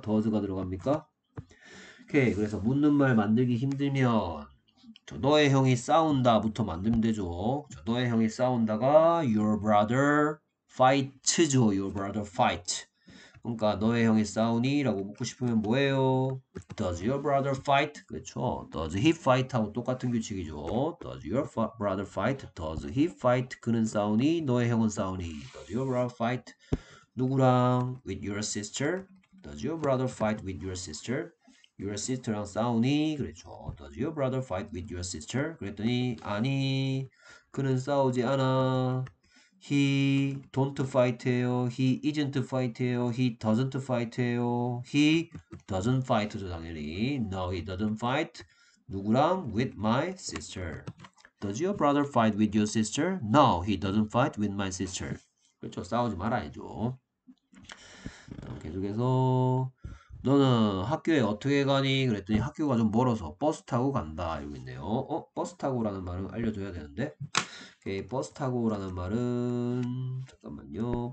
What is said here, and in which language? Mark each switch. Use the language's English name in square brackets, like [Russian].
[Korean] 더즈가 들어갑니까? 오케이, 그래서 묻는 말 만들기 힘들면 너의 형이 싸운다부터 만들면 되죠. 너의 형이 싸운다가 [English] your brother fight [Korean] 죠. [English] your brother fight. [Korean] 그러니까 너의 형이 싸우니라고 묻고 싶으면 뭐예요? [English] Does your brother fight? [Korean] 그렇죠. [English] Does he fight? [Korean] 하고 똑같은 규칙이죠. [English] Does your brother fight? Does he fight? [Korean] 그는 싸우니? 너의 형은 싸우니? [English] Does your brother fight? [Korean] 누구랑? [English] With your sister? Does your brother fight with your sister? Your sister랑 [Korean] 싸우니? 그렇죠. [English] Does your brother fight with your sister? [Korean] 그랬더니 아니, 그는 싸우지 않아. [English] He don't fight [Korean] 해요. [English] He isn't fight 해요. He doesn't fight [Korean] 해요. [English] He doesn't fight죠, [Korean] 당연히. [English] No, he doesn't fight. [Korean] 누구랑? [English] With my sister. Does your brother fight with your sister? No, he doesn't fight with my sister. [Korean] 그렇죠, 싸우지 말아야죠. 계속해서 너는 학교에 어떻게 가니? 그랬더니 학교가 좀 멀어서 버스 타고 간다 이러고 있네요. 버스 타고라는 말은 알려줘야 되는데. 오케이, 버스 타고라는 말은 잠깐만요.